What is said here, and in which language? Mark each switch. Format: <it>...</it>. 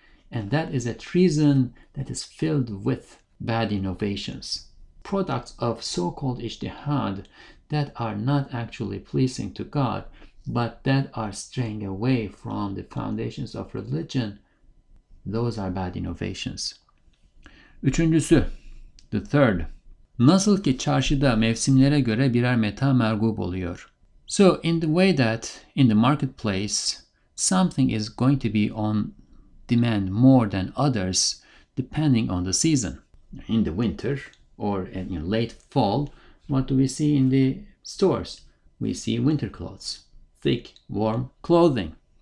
<en>And that is a treason that is filled with bad innovations, products of so-called ijtihad that are not actually pleasing to God, but that are straying away from the foundations of religion. Those are bad innovations.</en> <tr>Üçüncüsü,</tr> <en>the third.</en> <tr>Nasıl ki çarşıda mevsimlere göre birer meta mergub oluyor.</tr> <en>So in the way that in the marketplace, something is going to be on demand more than others, depending on the season. In the winter or in late fall, what do we see in the stores? We see winter clothes, thick, warm clothing.</en>